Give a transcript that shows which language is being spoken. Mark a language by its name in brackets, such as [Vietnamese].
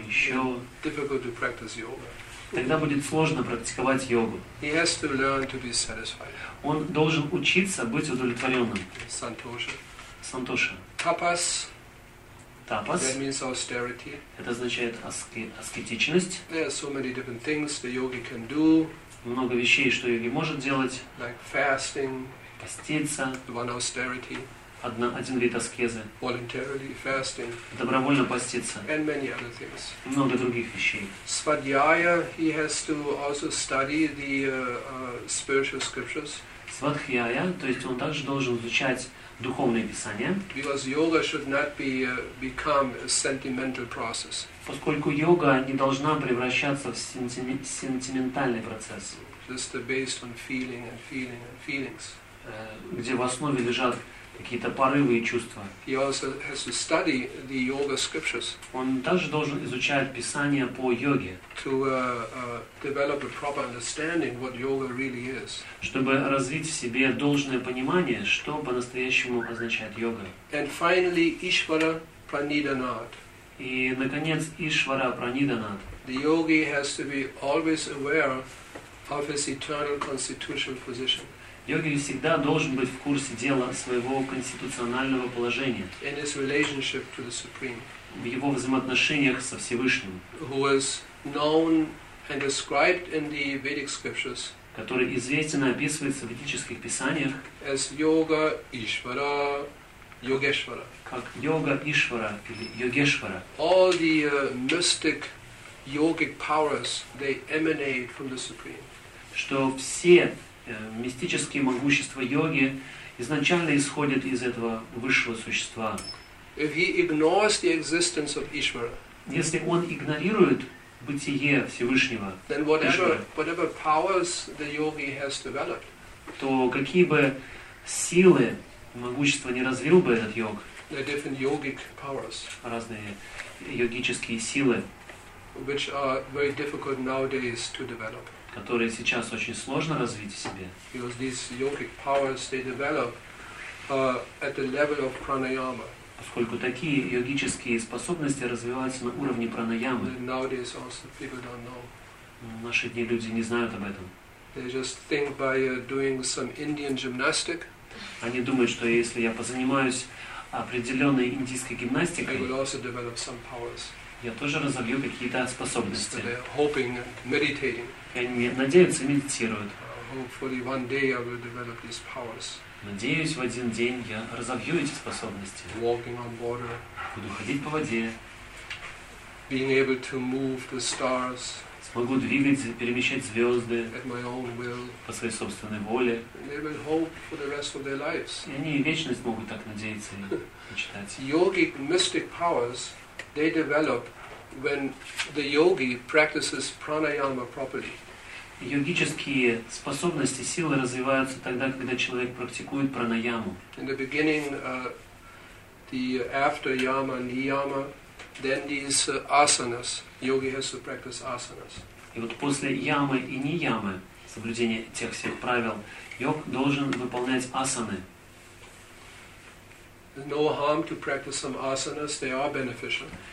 [English] Yeah, difficult to practice yoga. [Russian] Тогда будет сложно практиковать йогу. [English] He has to learn to be satisfied. [Russian] Он должен учиться быть удовлетворенным. [English] Santosha. [Russian] Santosha. [English] Tapas. [Russian] Tapas. [English] That means austerity. [Russian] Это означает аскетичность. [English] There are so many different things the yogi can do. [Russian] Много вещей, что йоги может делать. [English] Like fasting. [Russian] Поститься. [English] One austerity. [Russian] Один вид аскезы. [English] Voluntarily fasting. [Russian] Добровольно поститься. [English] And many other things. [Russian] Много других вещей. [English] Svadhyaya, he has to also study the spiritual scriptures. [Russian] Svadhyaya, то есть он также должен изучать духовные писания. [English] Because yoga should not be become a sentimental process. [Russian] Поскольку йога не должна превращаться в сентиментальный процесс. [English] Just based on feeling and feelings. [Russian] Где в основе лежат какие-то порывы и чувства. [English] He also has to study the yoga scriptures. [Russian] Он также должен изучать писания по йоге. [English] To develop a proper understanding what yoga really is. [Russian] Чтобы развить в себе должное понимание, что по-настоящему означает йога. [English] And finally, Ishvara Pranidhanath. [Russian] И, наконец, Ishvara Pranidhanath. [English] The yogi has to be always aware of his eternal constitutional position. [Russian] Йоги всегда должен быть в курсе дела своего конституционального положения. [English] In his relationship to the Supreme. [Russian] В его взаимоотношениях со Всевышним. [English] Who is known and described in the Vedic scriptures. [Russian] Который известен и описывается в ведических писаниях. [English] As Yoga Ishvara, Yogeshvara. [Russian] Как Йога Ишвара или Йогешвара. [English] All the mystic yogic powers, they emanate from the Supreme. [Russian] Что все мистические могущества йоги изначально исходят из этого высшего существа. [English] If he ignores the existence of Ishvara, [Russian] если он игнорирует бытие Всевышнего, [English] then whatever powers the yogi has developed, [Russian] то какие бы силы, могущества не развил бы этот йог, [English] there are different yogic powers, [Russian] разные йогические силы, [English] which are very difficult nowadays to develop, [Russian] которые сейчас очень сложно развить в себе. [English] Because these yogic powers they develop at the level of pranayama. [Russian] Поскольку такие йогические способности развиваются на уровне пранаямы. [English] Nowadays also people don't know. [Russian] В наши дни люди не знают об этом. [English] They just think by doing some Indian gymnastic. [Russian] Они думают, что если я позанимаюсь определенной индийской гимнастикой, [English] they will also develop some powers. [Russian] Я тоже разобью какие-то способности. [English] They're hoping and meditating. [Russian] Они надеются и медитируют. [English] Hopefully one day I will develop these powers. [Russian] Надеюсь, в один день я разовью эти способности. [English] Walking on water. [Russian] Буду ходить по воде. [English] Being able to move the stars. [Russian] Смогу двигать, перемещать звезды. [English] At my own will. [Russian] По своей собственной воле. [English] They will hope for the rest of their lives. [Russian] И они вечность могут так надеяться и мечтать. [English] Yogic mystic powers they develop when the yogi practices pranayama properly. [Russian] Йогические способности, силы развиваются тогда, когда человек практикует пранаяму. [English] In the beginning, the after yama, niyama, then these asanas, yogi has to practice asanas. [Russian] И вот после ямы и ниямы, соблюдение тех всех правил, йог должен выполнять асаны. [English] No harm to practice some asanas, they are beneficial.